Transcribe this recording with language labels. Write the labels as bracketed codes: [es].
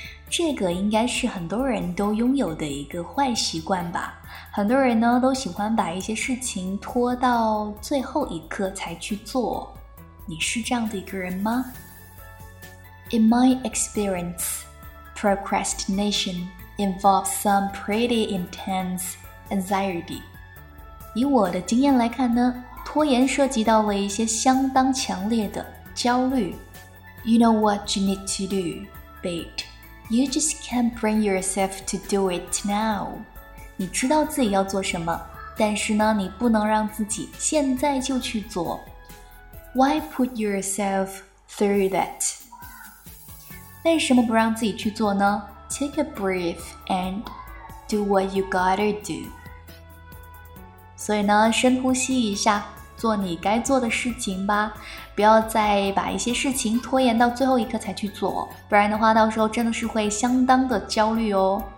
[zh] 这个应该是很多人都拥有的一个坏习惯吧。很多人呢都喜欢把一些事情拖到最后一刻才去做。你是这样的一个人吗？ [en] In my experience, procrastination involves some pretty intense anxiety. [zh] 以我的经验来看呢，拖延涉及到了一些相当强烈的焦虑。 [en] You know what you need to do, babe. You just can't bring yourself to do it now. [zh] 你知道自己要做什么，但是呢，你不能让自己现在就去做。 [en] Why put yourself through that? [zh] 为什么不让自己去做呢？ [en] Take a breath and do what you gotta do. [zh] 所以呢，深呼吸一下，做你该做的事情吧，不要再把一些事情拖延到最后一刻才去做，不然的话到时候真的是会相当的焦虑哦。